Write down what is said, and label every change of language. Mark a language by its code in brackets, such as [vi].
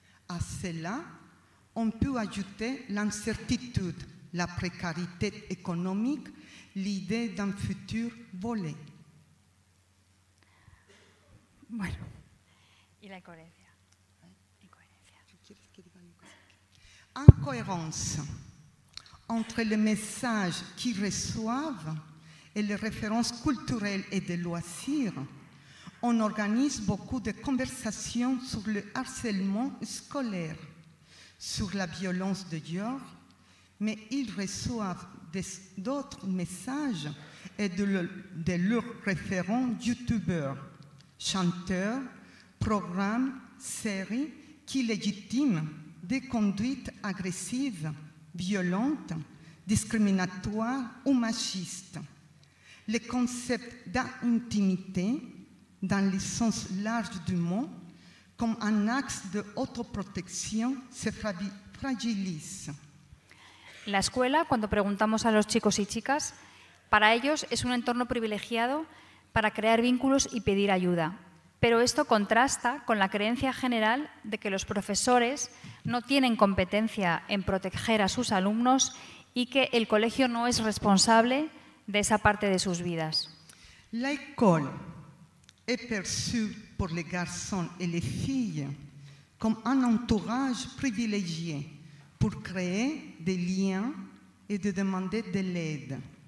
[fr] À cela, on peut ajouter l'incertitude, la précarité économique, l'idée d'un futur volé. [es] Bueno, y la incoherencia. [fr] Incoherence entre les messages qu'ils reçoivent et les références culturelles et de loisirs, on organise beaucoup de conversations sur le harcèlement scolaire, sur la violence de genre, mais ils reçoivent d'autres messages et de leurs référents youtubeurs, chanteurs, programmes, séries qui légitiment des conduites agressives, violentes, discriminatoires ou machistes. Le concept d'intimité, dans le sens large du mot, comme un axe de autoprotection, se fragilise. [es] La escuela, cuando preguntamos a los chicos y chicas, para ellos es un entorno privilegiado para crear vínculos y pedir ayuda. Pero esto contrasta con la creencia general de que los profesores no tienen competencia en proteger a sus alumnos y que el colegio no es responsable de esa parte de sus vidas. [fr] La école est perçue pour les garçons et les filles comme un entourage privilégié pour créer des liens et de demander de l'aide.